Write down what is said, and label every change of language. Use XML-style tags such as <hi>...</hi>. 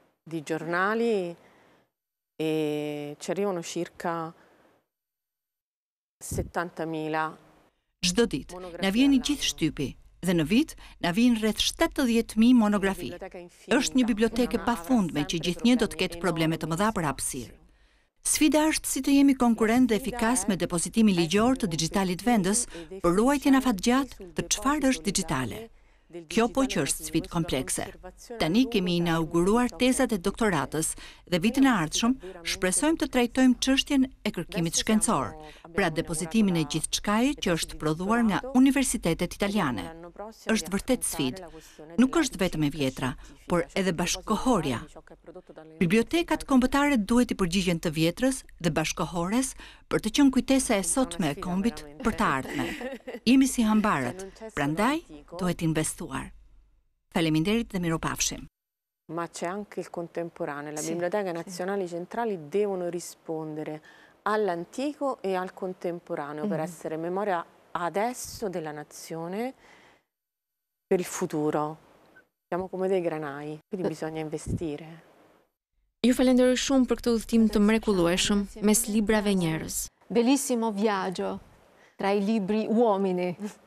<it>Di giornali e ci arrivano circa 70.000.</it> <sq>Çdo ditë na vjen i gjithë shtypi. Dhe në vit, na vijnë rreth 70.000 monografi. Është një biblioteke pa fund me që gjithnjë do të ketë probleme të mëdha për hapësirë. Sfida është si të jemi konkurent dhe efikas me depozitimi ligjor të digitalit vendës për ruajtjen afatgjatë të çfarë është digitale. Kjo po që është sfidë komplekse. Tani kemi inauguruar tezat e doktoratës dhe vitin e ardhshëm shpresojmë të trajtojmë çështjen e kërkimit shkencor, pra depozitimin e gjithçkaje që është prodhuar nga universitetet italiane. Është vërtet sfidë. Nuk është vetëm e vjetra, por edhe bashkohorja. Bibliotekat kombëtare duhet i përgjigjen të vjetrës dhe bashkohores për të qenë kujtesa e sotme e kombit për të ardhmen. Jemi si hambarët, prandaj duhet investuar. Faleminderit dhe miropafshim.</sq> <it>Ma c'è anche il contemporaneo. La Biblioteca Nazionale Centrali devono rispondere all'antico e al contemporaneo per essere memoria adesso della nazione per il futuro. Siamo come dei granai, quindi bisogna investire.</it> <sq>Ju falenderoj shumë për këtë udhtim të mrekullueshëm mes librave njerëz.</sq> <it>Bellissimo viaggio tra i libri uomini.</it>